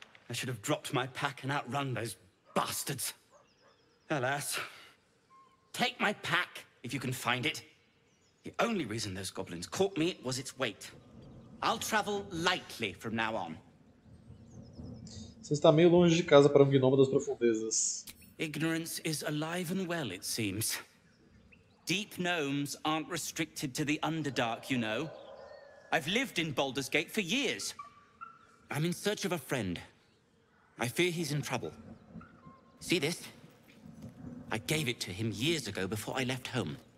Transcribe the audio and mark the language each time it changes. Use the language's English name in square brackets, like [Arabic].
[English] I should have dropped my pack and outrun those bastards. Alas. Take my pack, if you can find it. The only reason those goblins caught me was its weight. I'll travel lightly from now on. [Portuguese] Você está meio longe de casa para um gnomo das profundezas. [English] Ignorance is alive and well, it seems. Deep gnomes aren't restricted to the Underdark, you know. I've lived in Baldur's Gate for years. I'm in search of a friend. I fear he's in trouble. See this? I gave it to him years ago before I left home.